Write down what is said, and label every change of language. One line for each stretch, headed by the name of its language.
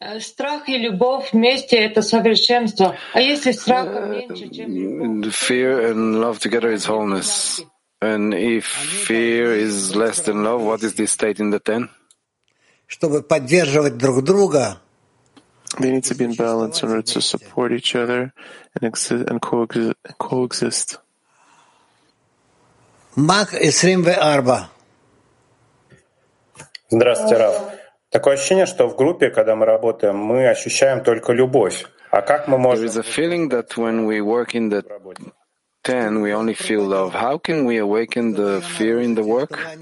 Russian: Страх и любовь вместе — это совершенство. А если страх меньше, чем любовь?
English: Fear and love together is wholeness. And if fear is less than love, what is this state in the ten?
Russian: Чтобы поддерживать друг друга.
English: We need to be in balance in order to support each other and coexist. Mark 24.
Russian: Здравствуйте, Раф. Такое ощущение, что в группе, когда мы работаем, мы ощущаем только любовь. А как мы можем?
English: There is a feeling that when we work in the ten, we only feel love. How can we awaken the fear in the work?